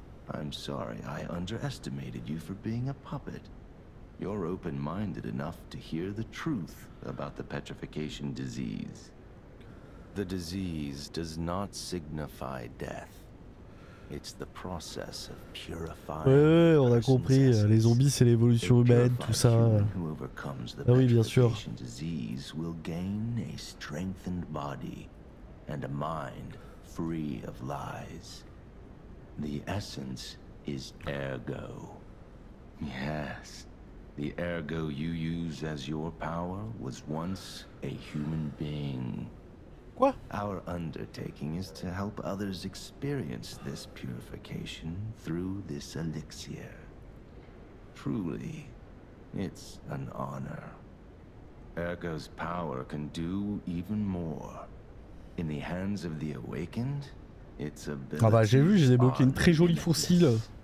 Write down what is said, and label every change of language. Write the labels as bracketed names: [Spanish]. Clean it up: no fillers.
[English] I'm sorry, I underestimated you for being a puppet. You're open-minded enough to hear the truth about the petrification disease. The disease does not signify death. It's the process of purifying. [French] Ouais, on a compris, les zombies c'est l'évolution humaine, tout ça. Ah oui, bien sûr. [English] Disease will gain a strengthened body and a mind free of lies. The essence is ergo. Yes. The ergo you use as your power was once a human being. [French] Quoi? [English] Our undertaking is to help others experience this purification through this elixir. Truly, it's an honor. Ergo's power can do even more. In the hands of the awakened, its ability. [French] Ah bah j'ai vu, j'ai bloqué une très jolie fossile.